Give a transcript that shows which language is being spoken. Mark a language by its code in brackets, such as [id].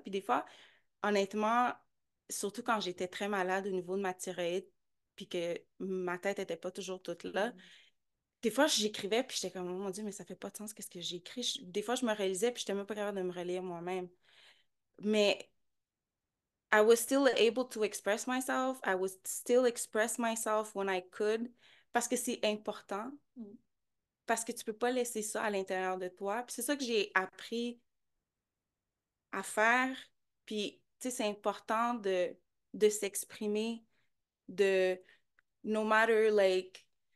[fr] Puis des fois, honnêtement, surtout quand j'étais très malade au niveau de ma thyroïde, puis que ma tête n'était pas toujours toute là, des fois, j'écrivais, puis j'étais comme, oh mon Dieu, mais ça fait pas de sens, qu'est-ce que j'écris. Des fois, je me relisais, puis je n'étais même pas capable de me relire moi-même. [en] Mais I was still able to express myself. I would still express myself when I could. [fr] Parce que c'est important. Parce que tu peux pas laisser ça à l'intérieur de toi. Puis c'est ça que j'ai appris à faire. Puis, tu sais, c'est important de s'exprimer, de [en] no matter, like,